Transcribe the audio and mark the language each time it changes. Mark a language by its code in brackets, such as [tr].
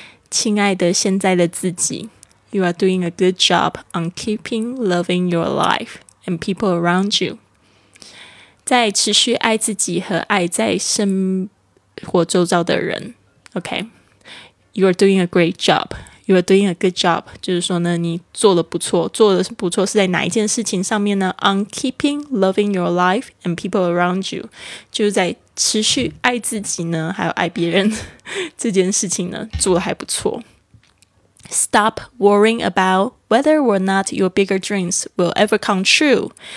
[zh] 亲爱的现在的自己， [en] You are doing a good job on keeping loving your life and people around you. [zh] 在持续爱自己和爱在生活周遭的人。 [en] OK. You are doing a great job. You are doing a good job. [zh] 就是说呢，你做得不错。做得不错是在哪一件事情上面呢？ [en] On keeping loving your life and people around you. [zh] 就是在持续爱自己呢还有爱别人这件事情呢做得还不错。 [en] Stop worrying about whether or not your bigger dreams will ever come true，